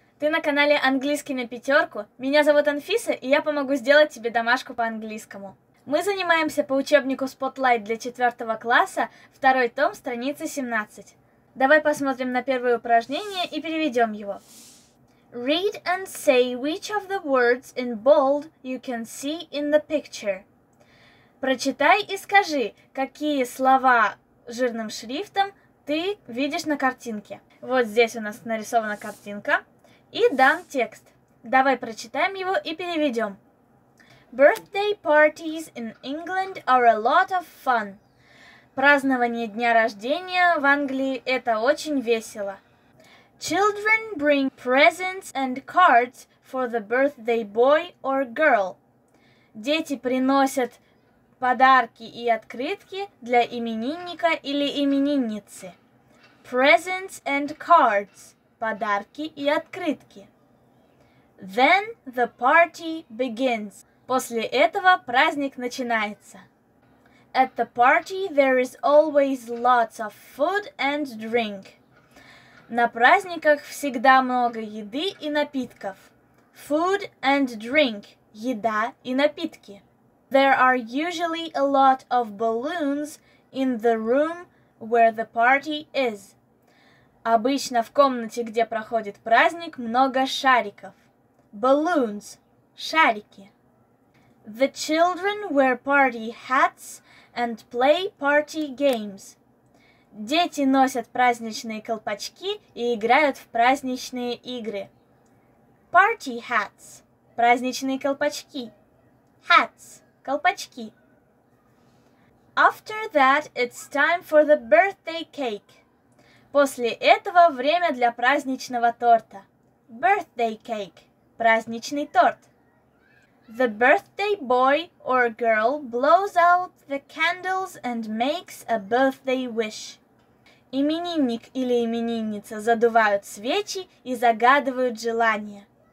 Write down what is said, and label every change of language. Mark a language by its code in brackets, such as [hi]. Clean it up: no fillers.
[ru] Ты на канале «Английский на пятерку». Меня зовут Анфиса, и я помогу сделать тебе домашку по английскому. Мы занимаемся по учебнику Spotlight для 4 класса, 2 том, страница 17. Давай посмотрим на первое упражнение и переведем его. [en] Read and say which of the words in bold you can see in the picture. [ru] Прочитай и скажи, какие слова жирным шрифтом ты видишь на картинке. Вот здесь у нас нарисована картинка и дан текст. Давай прочитаем его и переведем. [en] Birthday parties in England are a lot of fun. [ru] Празднование дня рождения в Англии – это очень весело. [en] Children bring presents and cards for the birthday boy or girl. [ru] Дети приносят подарки и открытки для именинника или именинницы. [en] Presents and cards [ru] – подарки и открытки. [en] Then the party begins. [ru] После этого праздник начинается. [en] At the party there is always lots of food and drink. [ru] На праздниках всегда много еды и напитков. [en] Food and drink [ru] – еда и напитки. [en] There are usually a lot of balloons in the room where the party is. [ru] Обычно в комнате, где проходит праздник, много шариков. Balloons – шарики. [en] The children wear party hats and play party games. [ru] Дети носят праздничные колпачки и играют в праздничные игры. [en] Party hats [ru] – праздничные колпачки. Hats – колпачки. [en] After that, it's time for the birthday cake. [ru] После этого время для праздничного торта. [en] Birthday cake – [ru] праздничный торт. [en] The birthday boy or girl blows out the candles and makes a birthday wish. [ru] Именинник или именинница задувают свечи и загадывают желание.